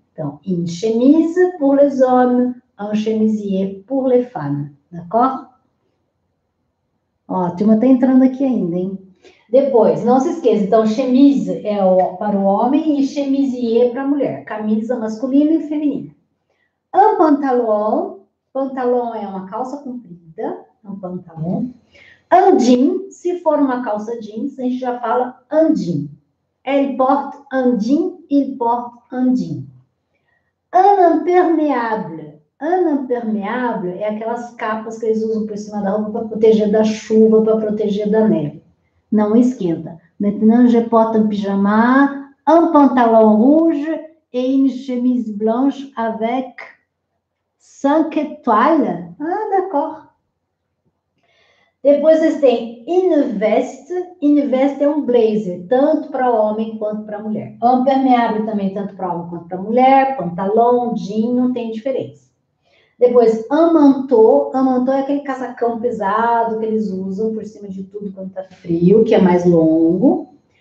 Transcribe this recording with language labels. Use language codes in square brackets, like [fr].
[fr] Então, une chemise pour les hommes, un chemisier pour les femmes, d'accord? [pt] Ó, a turma tá entrando aqui ainda, hein? Depois, não se esqueça, então, chemise é para o homem e chemisier para a mulher. Camisa masculina e feminina. Un pantalon. Pantalon é uma calça comprida. Um pantalon. Un jean. Se for uma calça jeans, a gente já fala un jean. [fr] Elle porte un jean, il porte un jean. Un imperméable. [pt] Un imperméable é aquelas capas que eles usam por cima da roupa para proteger da chuva, para proteger da neve. Não esquenta. [fr] Maintenant, je porte un pyjama, un pantalon rouge et une chemise blanche avec 5 étoiles. Ah, d'accord. [pt] Depois vocês têm une veste. Une veste é um blazer, tanto para homem quanto para mulher. Impermeável também, tanto para homem quanto para mulher. Pantalon, jean, não tem diferença. Depois, un manteau. Un manteau é aquele casacão pesado que eles usam por cima de tudo quando está frio, que é mais longo.